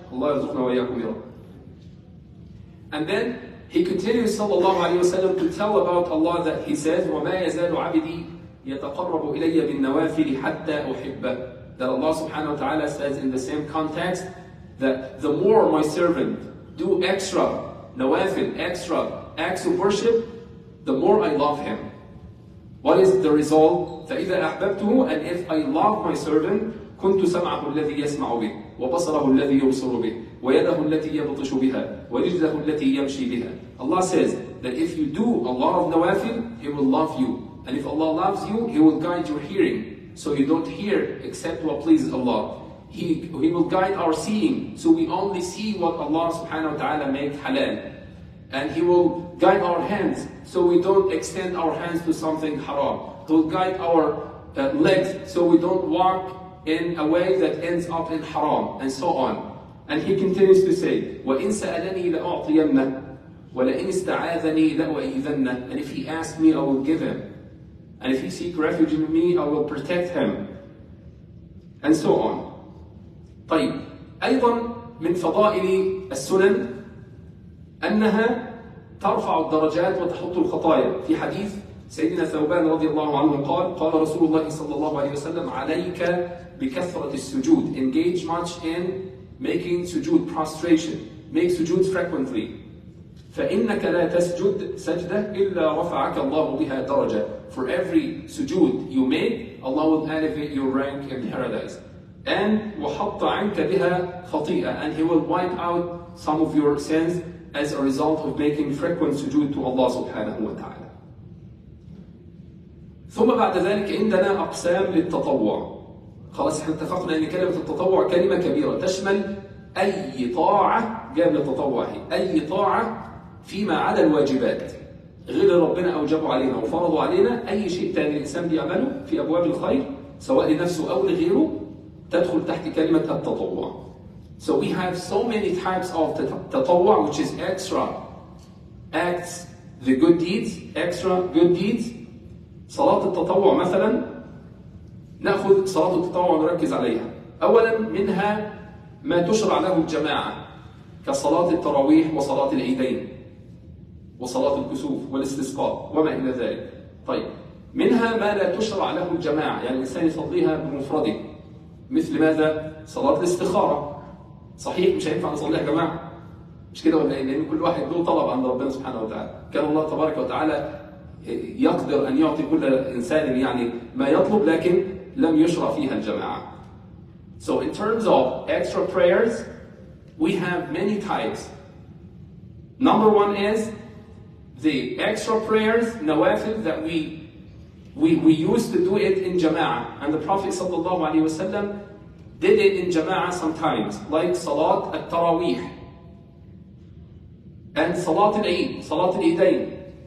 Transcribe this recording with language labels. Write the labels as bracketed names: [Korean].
[Arabic] Allah yarzuqna wa iyyakum ya. [English] And then he continues sallallahu alayhi wa sallam to tell about Allah that he says, [Arabic] وَمَا يَزَالُ عَبِدِي يَتَقَرَّبُ إِلَيَّ بِالنَّوَافِلِ حَتَّى أُحِبَّهُ. [English] That Allah subhanahu wa ta'ala says in the same context that the more my servant do extra nawafil, extra acts of worship, the more I love him. What is the result? [Arabic] فَإِذَا أَحْبَبْتُهُ, [English] and if I love my servant, [Arabic] كُنْتُ سَمْعَهُ الَّذِي يَسْمَعُ بِهِ وَبَصَرَهُ الَّذِي يُبْصُرُ بِهِ وَيَدَهُ الَّتِي يَبْطِشُ بِهَا وَرِجْلَهُ الَّتِي يَمْشِي بِهَا. [English] Allah says that if you do a lot of nawafil, He will love you. And if Allah loves you, He will guide your hearing, so you don't hear except what pleases Allah. He will guide our seeing, so we only see what Allah subhanahu wa ta'ala made halal. And He will guide our hands, so we don't extend our hands to something haram. He will guide our legs, so we don't walk in a way that ends up in haram, and so on. And he continues to say, [Arabic] وَإِنْ سَأَلَنِي لَأَعْطِيَنَّهُ وَلَئِنْ اسْتَعَاذَنِي لَأُؤَيِّذَنَّهُ. [English] And if he asks me, I will give him. And if he seeks refuge in me, I will protect him. And so on. [Arabic] طيب أيضا من فضائل السنن أنها ترفع الدرجات وتحط الخطايا. في حديث سيدنا ثوبان رضي الله عنه قال قال رسول الله صلى الله عليه وسلم عليك بكثرة السجود. [English] Engage much in making sujood, prostration. Make sujood frequently. [Arabic] فإنك لا تسجد سجدة إلا رفعك الله بها درجة. [English] For every sujood you make, Allah will elevate your rank in paradise. And [Arabic] وحط عنك بها خطيئة. [English] And He will wipe out some of your sins as a result of making frequent sujood to Allah سبحانه وتعالى. [Arabic] ثم بعد ذلك عندنا أقسام للتطوع. خلاص احنا اتفقنا ان كلمة التطوع كلمة كبيرة تشمل أي طاعة جاب لتطوعه، أي طاعة فيما عدا الواجبات غير ربنا أوجبه علينا وفرضوا علينا، أي شيء تاني الإنسان بيعمله في أبواب الخير سواء لنفسه أو لغيره تدخل تحت كلمة التطوع. [English] So we have so many types of تطوع which is extra acts the good deeds, extra good deeds. [Arabic] صلاة التطوع مثلا نأخذ صلاة التطوع ونركز عليها. أولا منها ما تشرع له الجماعة كصلاة التراويح وصلاة العيدين وصلاة الكسوف والاستسقاء وما إلى ذلك. طيب منها ما لا تشرع له الجماعة، يعني الإنسان يصليها بمفرده، مثل ماذا؟ صلاة الاستخارة. صحيح مش هينفع نصليها جماعة، مش كده ولا إيه؟ لأن كل واحد له طلب عند ربنا سبحانه وتعالى. كان الله تبارك وتعالى يقدر أن يعطي كل إنسان يعني ما يطلب لكن لم يشرع فيها الجماعة. [English] So in terms of extra prayers, we have many types. Number one is the extra prayers, nawafil, that we used to do it in jama'ah. And the Prophet sallallahu alayhi wasallam did it in jama'ah sometimes, like salat al-tarawih and salat al-eid, salat al-eidain.